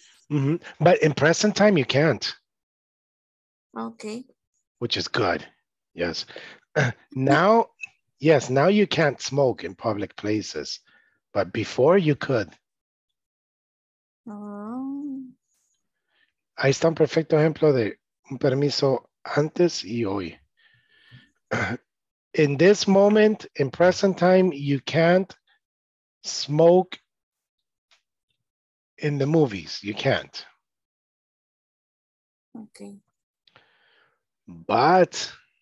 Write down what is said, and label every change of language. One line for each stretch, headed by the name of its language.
English: Mm-hmm. But in present time, you can't. Okay. Which is good, yes. Now, yes, now you can't smoke in public places, but before you could. Oh.
Spanish: Ahí está un perfecto ejemplo de un permiso antes y hoy.
English: In this moment, in present time, you can't smoke in the movies. You can't. Okay. But